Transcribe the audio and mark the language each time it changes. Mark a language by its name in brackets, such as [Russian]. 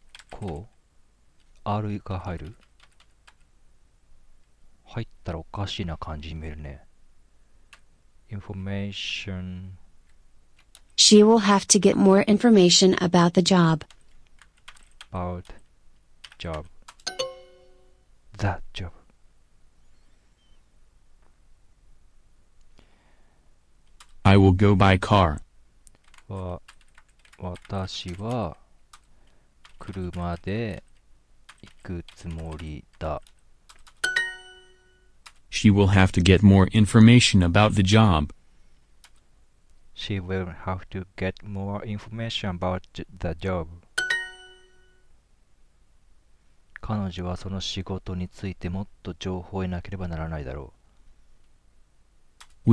[Japanese] こう R が入る入ったらおかしいな感じに見えるね。 [English] Information She will have to get more information about the job. About job. That job. I will go by car. [Japanese] わ私は車で行くつもりだ。 [English] She will have to get more information about the job. She will have to get more information about the job. [Japanese] 彼女はその仕事についてもっと情報を得なければならないだろう。